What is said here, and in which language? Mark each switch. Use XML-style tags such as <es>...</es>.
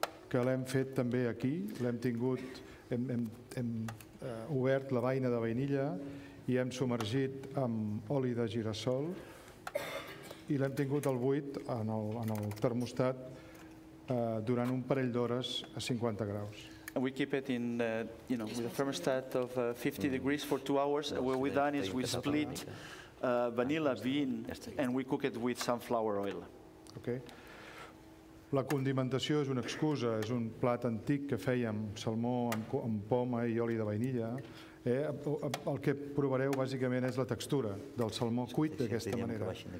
<ca>Que l'hem fet també aquí, l'hem tingut, hem obert la vaina de vainilla i hem submergit amb oli de girassol i l'hem tingut al buit en el termostat durant un parell d'hores a 50 graus.</ca> <en>And we keep it in, you know, with a thermostat of 50 degrees for 2 hours. What we've done is we split vanilla bean and we cook it with sunflower oil. Okay.</en> <ca>La condimentació és una excusa, és un plat antic que fèiem, salmó amb poma i oli de vainilla. El que provareu bàsicament és la textura del salmó cuit d'aquesta manera.</ca>